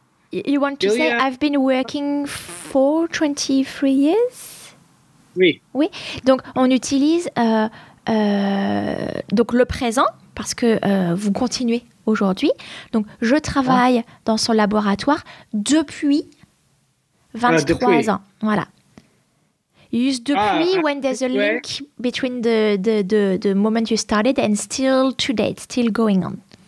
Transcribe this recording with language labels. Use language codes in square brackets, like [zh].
[en] you want to say I've been working for 23 years? [fr] Oui. Oui. Donc, on utilise donc le présent, parce que vous continuez aujourd'hui. Donc, je travaille dans son laboratoire depuis 23 ans. Voilà. [en] You use depuis when there's a link between the moment you started and still today, it's still going on.